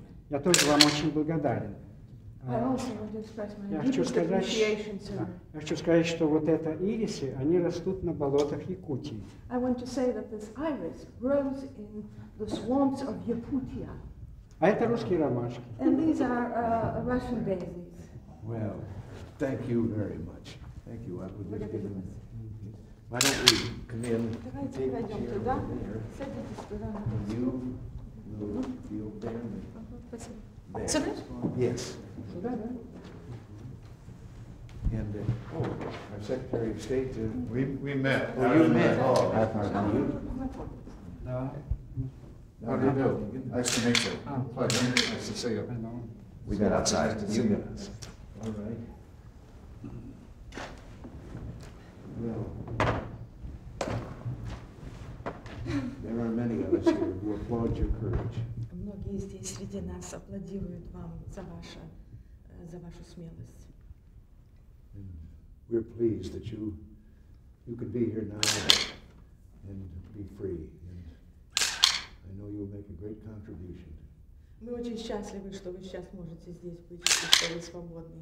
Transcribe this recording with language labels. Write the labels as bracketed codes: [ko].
[ru] Я тоже вам очень благодарен. Я хочу сказать, что вот это ирисы, они растут на болотах Якутии. [en] I want to say that this iris grows in the swamps of Yakutia. [ru] А это русские ромашки. [en] And these are Russian daisies. Well, thank you very much. Thank you. I would like to give them. Why don't we come in? [ru] Давайте пойдем туда. Садитесь туда. [en] And you will feel better. [ru] Спасибо. [en] There. Yes. And our Secretary of State. We met. Well, you met. Oh, I thought you. No. How do you do? Nice to meet you. Pleasure. Nice to see you. We met outside. You met us. All right. Well, there are many of us here who applaud your courage. [ru] Многие здесь среди нас аплодируют вам за ваше. За вашу смелость. [en] And we're pleased that you could be here now and be free. And I know you'll make a great contribution. [ru] Мы очень счастливы, что вы сейчас можете здесь быть, и что вы свободны.